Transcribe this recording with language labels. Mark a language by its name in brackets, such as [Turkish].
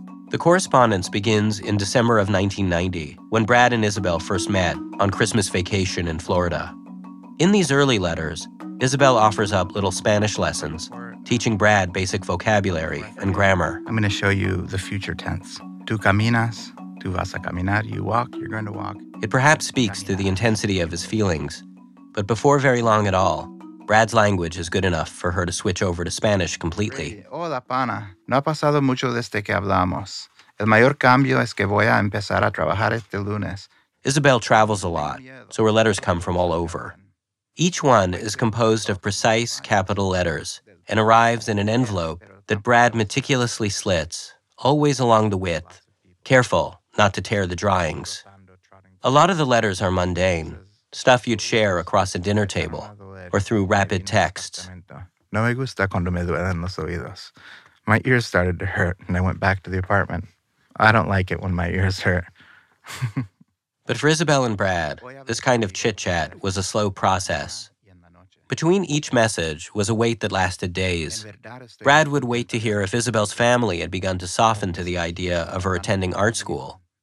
[English] The correspondence begins in December of 1990, when Brad and Isabel first met on Christmas vacation in Florida. In these early letters, Isabel offers up little Spanish lessons, teaching Brad basic vocabulary and grammar. I'm going to show you the future tense. [Spanish] Tú caminas, tú vas a caminar. [English] You walk, you're going to walk. It perhaps speaks to the intensity of his feelings. But before very long at all, Brad's language is good enough for her to switch over to Spanish completely. [Spanish] Hola, pana. No ha pasado mucho desde que hablamos. El mayor cambio es que voy a empezar a trabajar este lunes. [English] Isabel travels a lot, so her letters come from all over. Each one is composed of precise capital letters and arrives in an envelope that Brad meticulously slits, always along the width, careful not to tear the drawings. A lot of the letters are mundane. Stuff you'd share across a dinner table or through rapid texts. [Spanish] No me gusta cuando me duelen los oídos. [English] My ears started to hurt and I went back to the apartment. I don't like it when my ears hurt. But for Isabel and Brad, this kind of chit-chat was a slow process. Between each message was a wait that lasted days. Brad would wait to hear if Isabel's family had begun to soften to the idea of her attending art school.